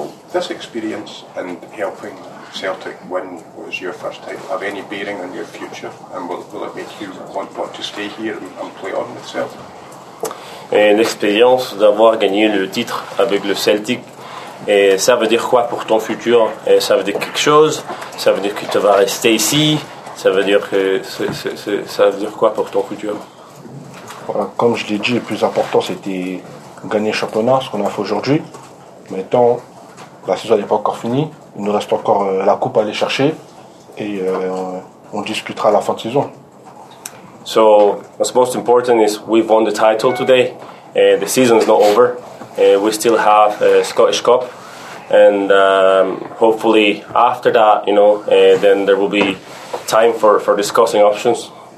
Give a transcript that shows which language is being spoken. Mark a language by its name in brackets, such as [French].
[English] This experience in helping Celtic win what was your first title have any bearing on your future, and will it make you want to stay here and play on with Celtic? [French] L'expérience d'avoir gagné le titre avec le Celtic, et ça veut dire quoi pour ton futur? Et ça veut dire quelque chose? Ça veut dire que tu vas rester ici? Ça veut dire que ça veut dire quoi pour ton futur? Voilà, comme je l'ai dit, le plus important c'était gagner le championnat, ce qu'on a fait aujourd'hui. Maintenant, la saison n'est pas encore finie, il nous reste encore la coupe à aller chercher et on discutera à la fin de saison. [English] So, what's most important is we've won the title today. The season is not over. We still have a Scottish Cup, and hopefully after that, you know, then there will be time for discussing options.